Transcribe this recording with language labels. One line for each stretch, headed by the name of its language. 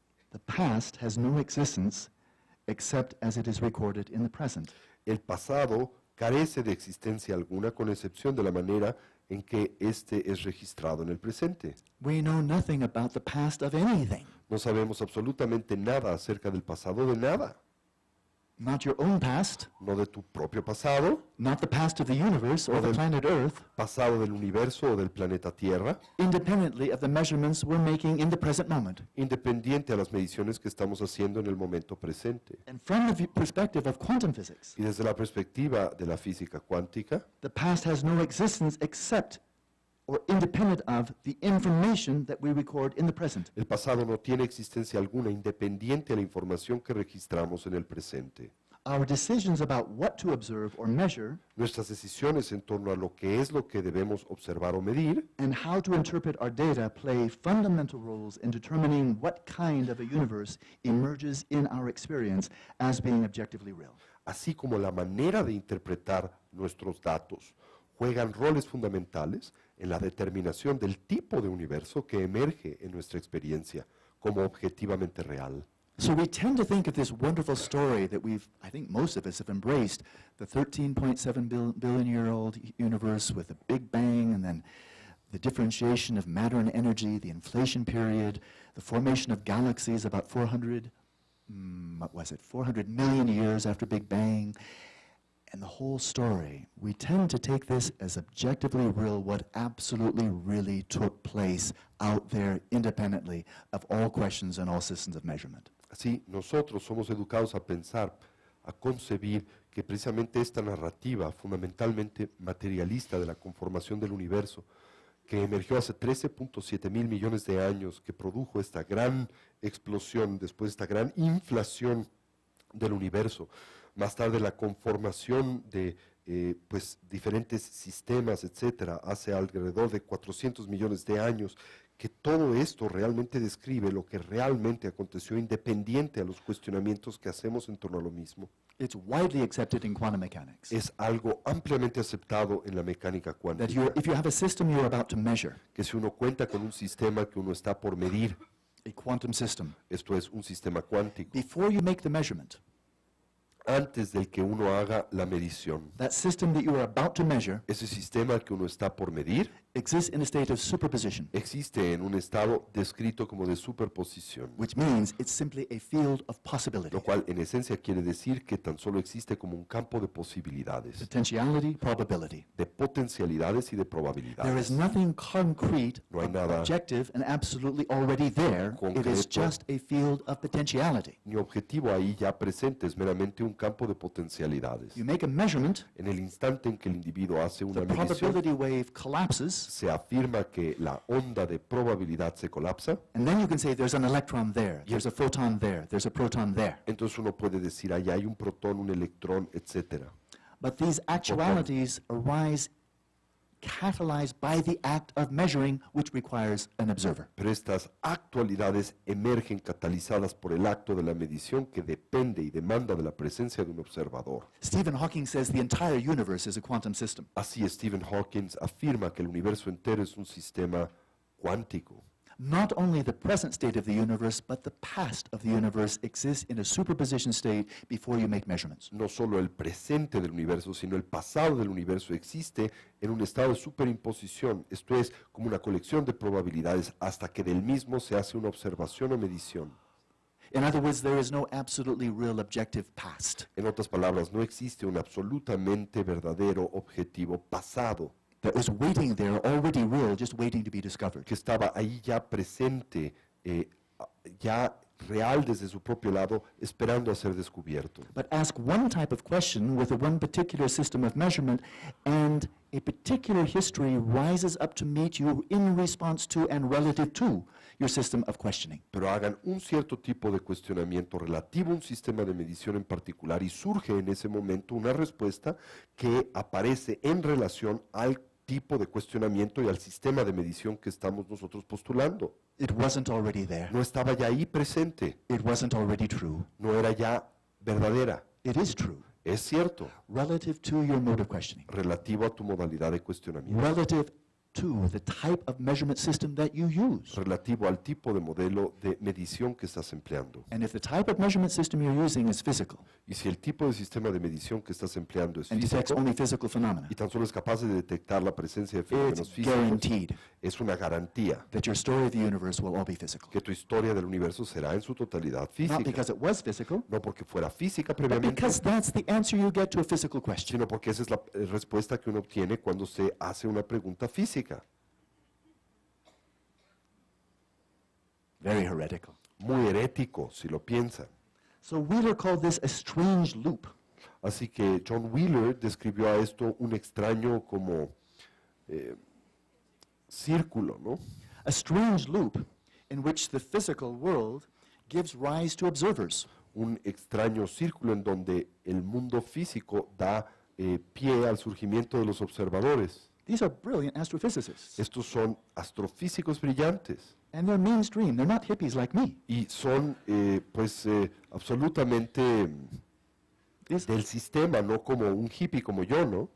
English: The past has no existence except as it is recorded in the present.
Spanish: El pasado carece de existencia alguna con excepción de la manera en que este es registrado en el presente.
English: We know nothing about the past of anything.
Spanish: No sabemos absolutamente nada acerca del pasado de nada.
English: Not your own past.
Spanish: No de tu propio pasado.
English: Not the past of the universe or the planet Earth.
Spanish: Pasado del universo o del planeta Tierra.
English: Independently of the measurements we're making in the present moment.
Spanish: Independiente a las mediciones que estamos haciendo en el momento presente.
English: And from the perspective of quantum physics.
Spanish: Y desde la perspectiva de la física cuántica.
English: The past has no existence except or independent of the information that we record in the present.
Spanish: El pasado no tiene existencia alguna independiente de la información que registramos en el presente.
English: Our decisions about what to observe or measure,
Spanish: nuestras decisiones en torno a lo que es lo que debemos observar o medir,
English: and how to interpret our data play fundamental roles in determining what kind of a universe emerges in our experience as being objectively real.
Spanish: Así como la manera de interpretar nuestros datos juegan roles fundamentales en la determinación del tipo de universo que emerge en nuestra experiencia como objetivamente real.
English: So we tend to think of this wonderful story that we've, I think most of us have embraced, the 13.7 billion year old universe with the Big Bang and then the differentiation of matter and energy, the inflation period, the formation of galaxies about 400 million years after Big Bang, and the whole story. We tend to take this as objectively real, what absolutely really took place out there independently of all questions and all systems of measurement.
Spanish: Sí, nosotros somos educados a pensar, a concebir que precisamente esta narrativa fundamentalmente materialista de la conformación del universo que emergió hace 13.7 mil millones de años, que produjo esta gran explosión, después esta gran inflación del universo, más tarde la conformación de pues diferentes sistemas, etcétera, hace alrededor de 400 millones de años, que todo esto realmente describe lo que realmente aconteció independiente a los cuestionamientos que hacemos en torno a lo mismo.
English: It's widely accepted in quantum mechanics.
Spanish: Es algo ampliamente aceptado en la mecánica cuántica.
English: That if you have a system you're about to measure.
Spanish: Que si uno cuenta con un sistema que uno está por medir.
English: A quantum system.
Spanish: Esto es un sistema cuántico.
English: Before you make the measurement.
Spanish: Antes del que uno haga la medición.
English: That system that you are about to measure.
Spanish: Ese sistema que uno está por medir.
English: Exists in a state of superposition.
Spanish: Existe en un estado descrito como de superposición.
English: Which means it's simply a field of possibility.
Spanish: Lo cual en esencia quiere decir que tan solo existe como un campo de posibilidades.
English: Potentiality, probability.
Spanish: De potencialidades y de probabilidades.
English: There is nothing concrete,
Spanish: no hay nada
English: objective and absolutely already there.
Spanish: Concreto,
English: it is just a field of potentiality.
Spanish: Ni objetivo ahí ya presente, es meramente un campo de potencialidades.
English: You make a measurement.
Spanish: En el instante en que el individuo hace una medición,
English: the probability wave collapses.
Spanish: Se afirma que la onda de probabilidad se colapsa.
English: And then you can say there's an electron there, there's a photon there, there's a proton there.
Spanish: Entonces uno puede decir, ahí hay un protón, un electrón, etc.
English: But these actualities arise catalyzed by the act of measuring, which requires an observer.
Spanish: Pero estas actualidades emergen catalizadas por el acto de la medición que depende y demanda de la presencia de un observador.
English: Stephen Hawking says the entire universe is a quantum system.
Spanish: Así Stephen Hawking afirma que el universo entero es un sistema cuántico.
English: Not only the present state of the universe, but the past of the universe exists in a superposition state before you make measurements.
Spanish: No solo el presente del universo, sino el pasado del universo existe en un estado de superimposición, esto es, como una colección de probabilidades hasta que del mismo se hace una observación o medición.
English: In other words, there is no absolutely real objective past.
Spanish: En otras palabras, no existe un absolutamente verdadero objetivo pasado.
English: That was waiting there, already real, just waiting to be discovered.
Spanish: Que estaba ahí ya presente, ya real desde su propio lado, esperando a ser descubierto.
English: But ask one type of question with a one particular system of measurement, and a particular history rises up to meet you in response to and relative to your system of questioning.
Spanish: Pero hagan un cierto tipo de cuestionamiento relativo a un sistema de medición en particular y surge en ese momento una respuesta que aparece en relación al tipo de cuestionamiento y al sistema de medición que estamos nosotros postulando.
English: It wasn't already there.
Spanish: No estaba ya ahí presente.
English: It wasn't already true.
Spanish: No era ya verdadera.
English: It is true.
Spanish: Es cierto.
English: Relative to your mode of questioning.
Spanish: Relativo a tu modalidad de cuestionamiento.
English: Relative to the type of measurement system that you use.
Spanish: Relativo al tipo de modelo de medición que estás empleando.
English: And if the type of measurement system you're using is physical.
Spanish: Y si el tipo de sistema de medición que estás empleando es físico.
English: And detects only physical phenomena.
Spanish: Y tan solo es capaz de detectar la presencia de fenómenos físicos.
English: Guaranteed.
Spanish: Es una garantía.
English: That your story of the universe will all be physical.
Spanish: Que tu historia del universo será en su totalidad física.
English: Not because it was physical.
Spanish: No porque fuera física previamente.
English: But because that's the answer you get to a physical question.
Spanish: Sino porque esa es la respuesta que uno obtiene cuando se hace una pregunta física.
English: Very heretical.
Spanish: Muy herético, si lo piensan.
English: So Wheeler called this a strange loop.
Spanish: Así que John Wheeler describió a esto un extraño como círculo, ¿no?
English: A strange loop in which the physical world gives rise to observers.
Spanish: Un extraño círculo en donde el mundo físico da pie al surgimiento de los observadores.
English: These are brilliant astrophysicists.
Spanish: Estos son astrofísicos brillantes.
English: And they're mainstream. They're not hippies like me.
Spanish: Y son, pues, absolutamente del sistema, no como un hippie como yo, ¿no?